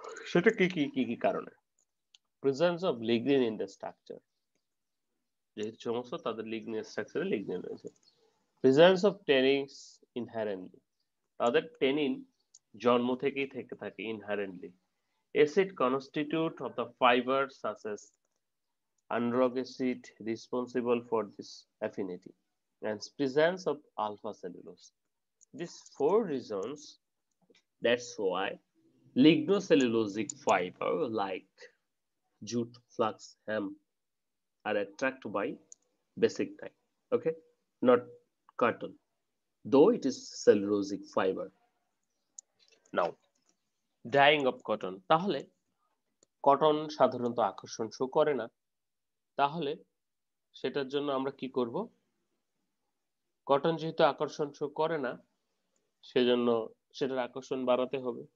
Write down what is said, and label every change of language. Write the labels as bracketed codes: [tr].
[bn] সেটা কি কি কি কি কারণে? [en] presence of lignin in the structure, [bn] যেহেতু সমস্ত তাদের লিগনিন স্ট্রাকচারে লিগনিন রয়েছে। [en] presence of tannins inherently, [bn] তাদের টেনিন জন্ম থেকেই থেকে থাকে inherently. [en] Acid constituent of the fiber such as Androgenate responsible for this affinity and presence of alpha cellulose. These four reasons, that's why lignocellulosic fiber like jute, flax, hemp are attracted by basic dye, okay, not cotton, though it is cellulosic fiber. Now, dyeing of cotton, [bn] তাহলে cotton সাধারণত আকর্ষণ show করে না, তাহলে সেটার জন্য আমরা কি করব, কটন যেহেতু আকর্ষণ শো করে না, সেজন্য সেটার আকর্ষণ বাড়াতে হবে।